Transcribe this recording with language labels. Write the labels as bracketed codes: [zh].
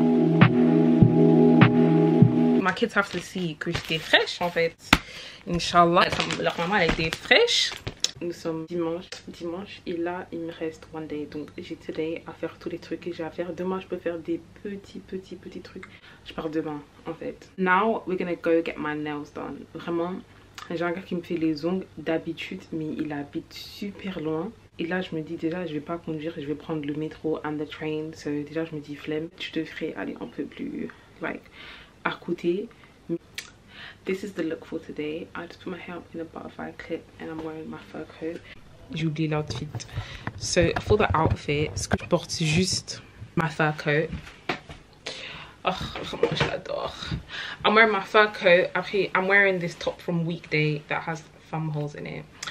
[en] My kids have to see [fr] que j'étais fraîche en fait. Inch'Allah, leur maman elle était fraîche. Nous sommes dimanche et là il me reste [en] one day, [fr] donc j'ai [en] today [fr] à faire tous les trucs que j'ai à faire. Demain je peux faire des petits trucs. Je pars demain en fait. [en] Now we're gonna go get my nails done. [fr] Vraiment, j'ai un gars qui me fait les ongles d'habitude mais il habite super loin. Et là je me dis déjà je vais pas conduire, je vais prendre le métro [en] and the train. [fr] So, déjà je me dis flemme, je devrais aller un peu plus like à côté. [en] This is the look for today. I just put my hair up in a butterfly clip and I'm wearing my fur coat. [fr] J'ai oublié l'outfit. [en] So for the outfit, [fr] ce que je porte c'est juste ma fur coat. [en] Oh, [fr] vraiment, je l'adore. [en] I'm wearing my fur coat. Après, I'm wearing this top from Weekday that has thumb holes in it.